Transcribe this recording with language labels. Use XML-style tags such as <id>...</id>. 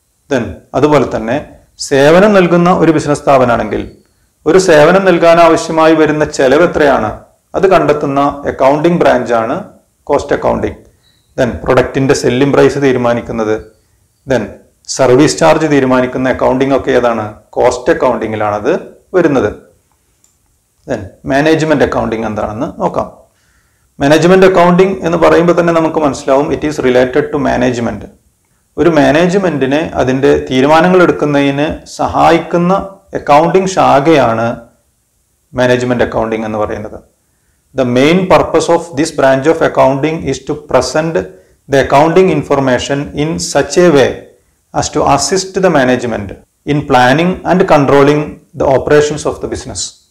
<ml>Then അതുപോലെ തന്നെ സേവനം നൽകുന്ന ഒരു ബിസിനസ് സ്ഥാപനമാണെങ്കിൽ ഒരു സേവനം നൽകാനാവശ്യമായി വരുന്ന ചെലവ് എത്രയാണ് അത് കണ്ടെത്തുന്ന accounting ബ്രാഞ്ചാണ് cost accounting. Then പ്രൊഡക്റ്റിൻ്റെ selling price തീരുമാനിക്കുന്നത്, ദെൻ സർവീസ് ചാർജ് തീരുമാനിക്കുന്ന അക്കൗണ്ടിങ് ഒക്കെ ഏതാണ്, കോസ്റ്റ് അക്കൗണ്ടിങ്ങിലാണത് വരുന്നത്. Then management accounting എന്താണെന്ന് നോക്കാം. Management accounting എന്ന് പറയുമ്പോൾ തന്നെ നമുക്ക് മനസ്സിലാവും</ml> <en>It is related to management.</en> <ml>ഒരു മാനേജ്മെന്റിനെ അതിൻ്റെ തീരുമാനങ്ങൾ എടുക്കുന്നതിന് സഹായിക്കുന്ന അക്കൗണ്ടിംഗ് ശാഖയാണ് മാനേജ്മെന്റ് അക്കൗണ്ടിംഗ് എന്ന് പറയുന്നത്.</ml> <en>The main purpose of this branch of accounting is to present the accounting information in such a way as to assist the management in planning and controlling the operations of the business.</en>